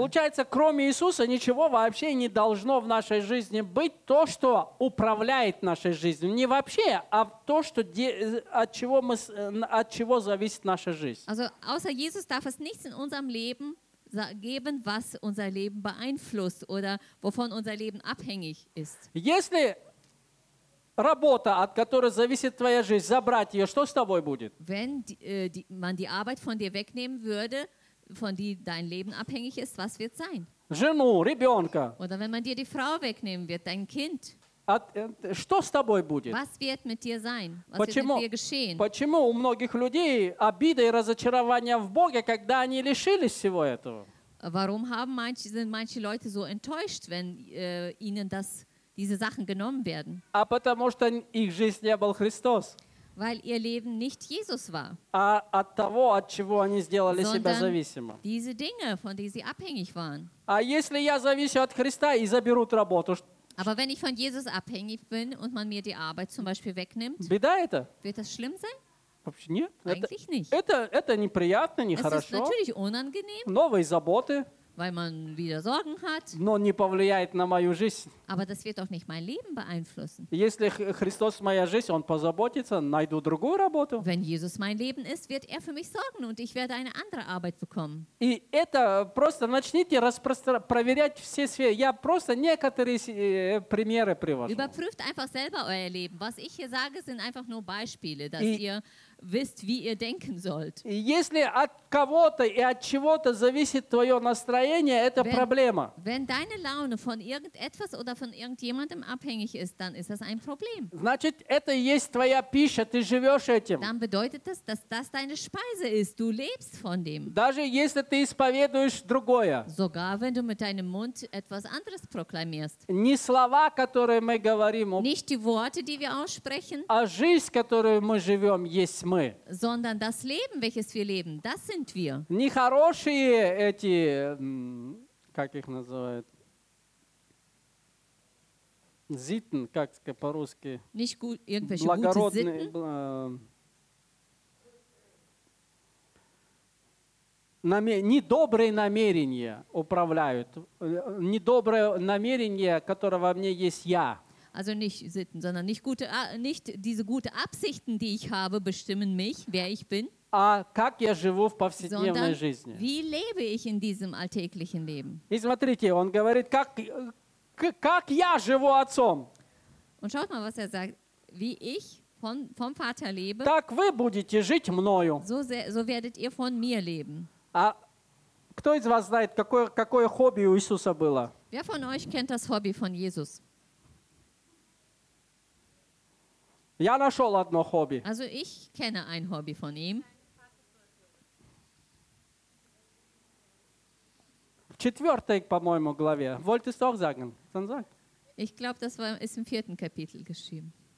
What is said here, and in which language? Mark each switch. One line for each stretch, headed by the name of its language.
Russian: Получается, кроме Иисуса ничего вообще не должно в нашей жизни быть, то, что управляет нашей жизнью. Не вообще, а то, что от чего зависит наша жизнь.
German: Also, außer Jesus darf es nichts in unserem Leben geben, was unser Leben beeinflusst oder wovon unser Leben abhängig ist.
Russian: Если работа, от которой зависит твоя жизнь, забрать ее, что с тобой будет?
German: Wenn man die Arbeit von dir wegnehmen würde, von die dein Leben abhängig ist, was wird sein?
Russian: Жену, ребенка.
German: Oder wenn man dir die Frau wegnehmen wird, dein Kind.
Russian: Что с тобой будет?
German: Was wird mit dir sein? Was
Russian: почему,
German: wird mit dir geschehen?
Russian: Почему у многих людей обида и разочарование в Боге, когда они лишились всего этого?
German: Warum haben manche, sind manche Leute so enttäuscht, wenn ihnen das, diese Sachen genommen werden?
Russian: А потому что их жизнь не был Христос.
German: Weil ihr Leben nicht Jesus war.
Russian: А от того, от чего они сделали себя зависимым.
German: Diese Dinge, von denen sie abhängig waren.
Russian: А если я завишу от Христа и заберут работу?
German: Aber wenn ich von Jesus abhängig bin und man mir die Arbeit zum Beispiel wegnimmt,
Russian: беда это?
German: Wird das schlimm sein?
Russian: Вообще нет.
German: Eigentlich
Russian: это,
German: nicht.
Russian: Это неприятно, нехорошо.
German: Es ist natürlich unangenehm.
Russian: Новые заботы.
German: Weil man wieder Sorgen hat.
Russian: Но не повлияет на мою жизнь.
German: Aber das wird auch nicht mein Leben beeinflussen.
Russian: Если Христос моя жизнь, он позаботится, найду другую работу.
German: Wenn Jesus mein Leben ist, wird er für mich sorgen und ich werde eine andere Arbeit bekommen.
Russian: И это просто начните проверять все сферы. Я просто некоторые примеры привожу.
German: Überprüft einfach selber euer Leben. Was ich hier sage, sind einfach nur Beispiele, dass ihr wisst, wie ihr denken sollt.
Russian: Если от кого-то и от чего-то зависит твое настроение, это проблема.
German: Wenn deine Laune von irgendetwas oder von irgendjemandem abhängig ist, dann ist das ein Problem.
Russian: Значит, это есть твоя пища, ты живешь этим.
German: Dann bedeutet das, dass das deine Speise ist. Du lebst von dem.
Russian: Даже если ты исповедуешь другое.
German: Sogar wenn du mit deinem Mund etwas anderes proklamierst.
Russian: Не слова, которые мы говорим.
German: Nicht die Worte, die wir aussprechen.
Russian: А жизнь, которую мы живем, есть мы.
German: Sondern das Leben, welches wir leben, das sind wir.
Russian: Нехорошие эти, как их называют? Sitten, как сказать по-русски?
German: Nicht gut, irgendwelche gute Sitten?
Russian: Недобрые намерения управляют. Недоброе намерение, которое во мне есть я.
German: Also nicht Sitten, sondern nicht diese guten Absichten, die ich habe, bestimmen mich, wer ich bin.
Russian: А как я живу в повседневной жизни?
German: Wie lebe ich in diesem alltäglichen Leben?
Russian: И смотрите, он говорит, как я живу отцом.
German: Und schaut mal, was er sagt, wie ich vom Vater lebe.
Russian: Так вы будете жить мною.
German: So werdet ihr von mir leben.
Russian: А кто из вас знает, какое хобби у Иисуса было?
German: Wer von euch kennt das Hobby von Jesus?
Russian: Я нашел одно хобби.
German: Also ich kenne ein Hobby von ihm.
Russian: В четвертой, по-моему, главе.
German: Wolltest du auch sagen? Dann sag. Ich glaube, das ist im vierten Kapitel geschrieben.